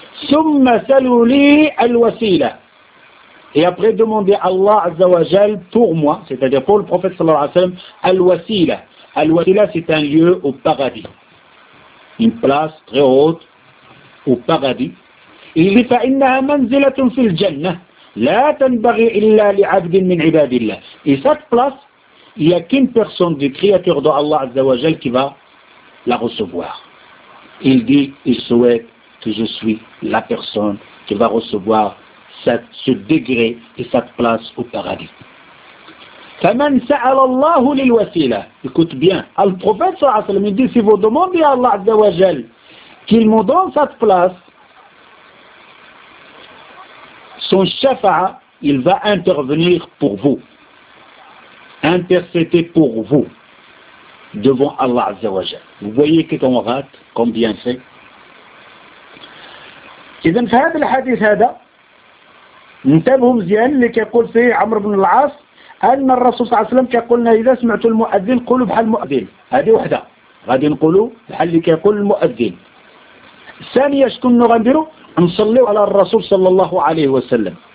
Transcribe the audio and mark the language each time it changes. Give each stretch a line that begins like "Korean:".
Arabic: ثُمَّ سَلُوا لِي الْوَسِيلَةِ.
French: Et après demander à Allah Azza wa Jal pour moi, c'est-à-dire pour le prophète sallallahu alayhi wa sallam, al-wasila. Al-wasila, c'est un lieu au paradis. Une place très haute au paradis. Il dit,
Arabic: فَإِنَّهَا مَنْزِلَةٌ فِي الْجَنَّةِ لَا تَنْبَغِي إِلَّا لِعَبْدٍ مِنْ عِبَادِ اللَّهِ.
French: Et cette place, il n'y a qu'une personne des créatures de Allah Azza wa Jal qui va la recevoir. Il dit, il souhaite que je suis la personne qui va recevoir ce degré et cette place au paradis.
Arabic: فَمَنْ سَأَلَ اللَّهُ لِلْوَسِيلَ.
French: Écoute bien, le prophète sallallahu alayhi wa sallam dit, si vous demandez à Allah Azza wa Jal qu'il me donne cette place, son shafa'a, il va intervenir pour vous, intercéder pour vous devant Allah Azza wa Jal. Vous voyez que ton rate, combien c'est. Et dans ce hadith,
Arabic: انتبهوا مزيان اللي كيقول فيه عمرو بن العاص ان الرسول صلى الله عليه وسلم كيقولنا اذا سمعتوا المؤذن قولوا بحال المؤذن. هذه وحده غادي نقولوا بحال اللي كيقول المؤذن. الثانيه شكون غنديروا؟ نصليوا على الرسول صلى الله عليه وسلم.